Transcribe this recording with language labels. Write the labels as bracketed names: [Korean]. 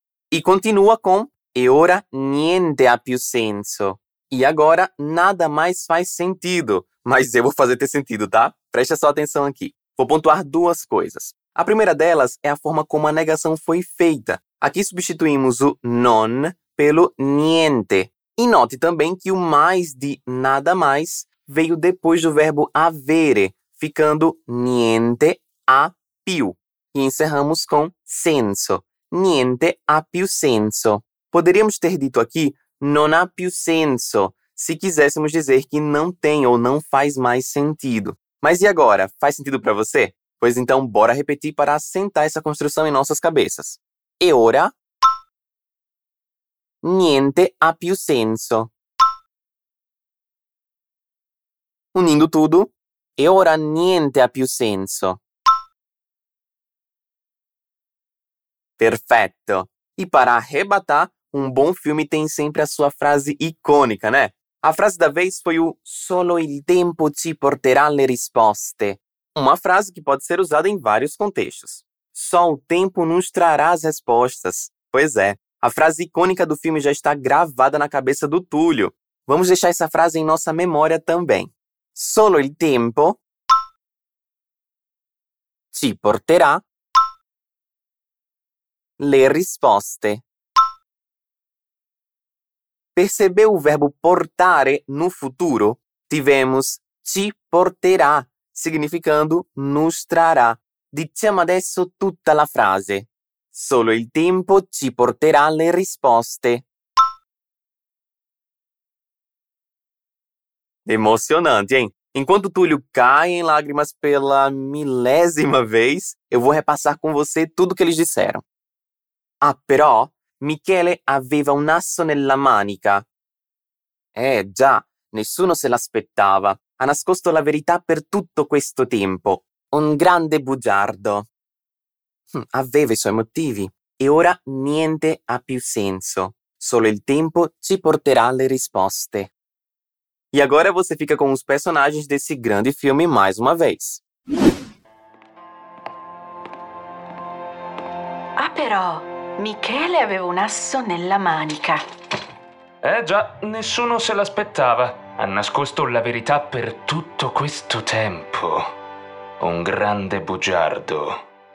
[Portuguese] E continua com [Italian] "e ora niente ha più senso". [Portuguese] E agora nada mais faz sentido. Mas eu vou fazer ter sentido, tá? Preste só atenção aqui. Vou pontuar duas coisas. A primeira delas é a forma como a negação foi feita. Aqui substituímos o "non" pelo "niente". E note também que o "mais" de "nada mais" veio depois do verbo "avere", ficando [Italian] "niente ha più". [Portuguese] E encerramos com "senso". [Italian] "Niente ha più senso". [Portuguese] Poderíamos ter dito aqui [Italian] "non ha più senso", [Portuguese] se quiséssemos dizer que não tem ou não faz mais sentido. Mas e agora? Faz sentido para você? Pois então, bora repetir para assentar essa construção em nossas cabeças. [Italian] E ora? Niente ha più senso. [Portuguese] Unindo tudo. [Italian] E ora niente ha più senso. [Portuguese] Perfeito! E para arrebatar, um bom filme tem sempre a sua frase icônica, né? A frase da vez foi o [Italian] "solo il tempo ci porterà le risposte". [Portuguese] Uma frase que pode ser usada em vários contextos. Só o tempo nos trará as respostas. Pois é, a frase icônica do filme já está gravada na cabeça do Túlio. Vamos deixar essa frase em nossa memória também. [Italian] Solo il tempo ci porterà le risposte. [Portuguese] Percebeu o verbo portare no futuro? Tivemos [Italian] ci porterà, [Portuguese] significando nos trará. [Italian] Diciamo adesso tutta la frase. Solo il tempo ci porterà le risposte. [Portuguese] Emocionante, hein? Enquanto Túlio cai em lágrimas pela milésima vez, eu vou repassar com você tudo que eles disseram. [Italian] Ah, però, Michele aveva un asso nella manica. Già, nessuno se l'aspettava. Ha nascosto la verità per tutto questo tempo. Un grande bugiardo. Aveva i suoi motivi. E ora niente ha più senso. Solo il tempo ci porterà le risposte. [Portuguese] E agora você fica com os personagens desse grande filme mais uma vez. [Italian] Ah, però, Michele aveva un asso nella manica. Già, nessuno se l'aspettava. Ha nascosto la verità per tutto questo tempo. Un grande bugiardo.